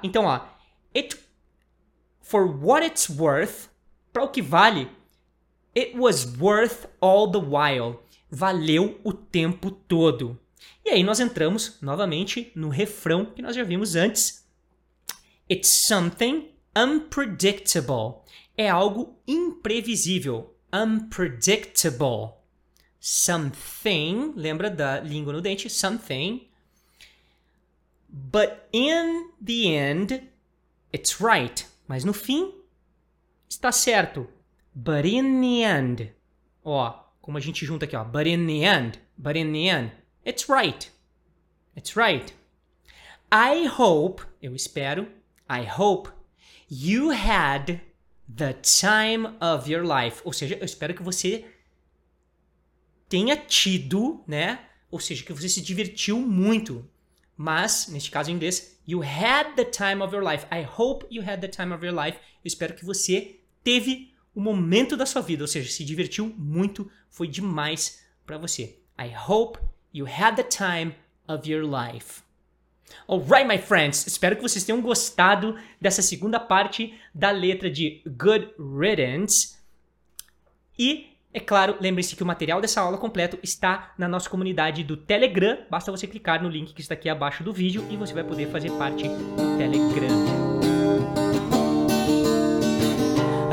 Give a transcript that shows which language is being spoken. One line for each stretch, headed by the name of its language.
Portuguese: Então, ó,
English: it, for what it's worth,
Portuguese: para o que vale,
English: it was worth all the while.
Portuguese: Valeu o tempo todo. E aí nós entramos novamente no refrão que nós já vimos antes.
English: It's something unpredictable.
Portuguese: É algo imprevisível. Unpredictable. Something, lembra da língua no dente? Something.
English: But in the end, it's right.
Portuguese: Mas no fim, está certo.
English: But in the end.
Portuguese: Ó, como a gente junta aqui, ó.
English: But in the end. But in the end. It's right. It's right. I hope,
Portuguese: eu espero,
English: I hope you had the time of your life.
Portuguese: Ou seja, eu espero que você tenha tido, né? Ou seja, que você se divertiu muito. Mas, neste caso em inglês,
English: you had the time of your life. I hope you had the time of your life.
Portuguese: Eu espero que você teve o momento da sua vida. Ou seja, se divertiu muito, foi demais pra você.
English: I hope you had the time of your life. Alright, my friends.
Portuguese: Espero que vocês tenham gostado dessa segunda parte da letra de Good Riddance. E É claro, lembre-se que o material dessa aula completo está na nossa comunidade do Telegram. Basta você clicar no link que está aqui abaixo do vídeo e você vai poder fazer parte do Telegram.